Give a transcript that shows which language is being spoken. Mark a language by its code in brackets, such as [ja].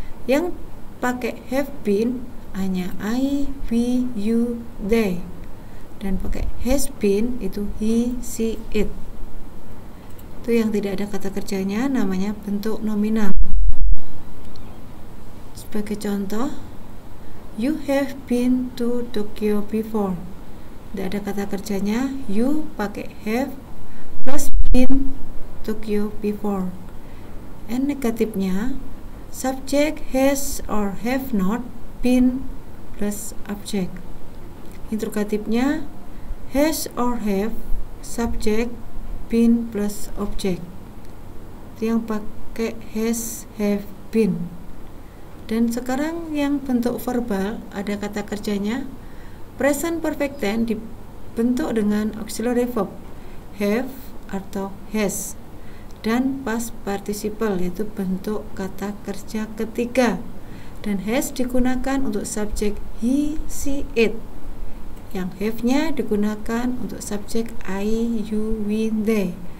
[id] Yang pakai have been hanya I, we, you, they. Dan pakai has been itu he, she, it. Itu yang tidak ada kata kerjanya, namanya bentuk nominal. Sebagai contoh, [en] you have been to Tokyo before. [id] Tidak ada kata kerjanya, you pakai have plus been Tokyo before. And negatifnya, subject has or have not been plus object. Interrogatifnya, has or have subject been plus object. Itu yang pakai has, have, been. Dan sekarang yang bentuk verbal ada kata kerjanya, present perfect tense dibentuk dengan auxiliary verb have atau has dan past participle yaitu bentuk kata kerja ketiga, dan has digunakan untuk subjek he, she, it, yang have-nya digunakan untuk subjek I, you, we, they.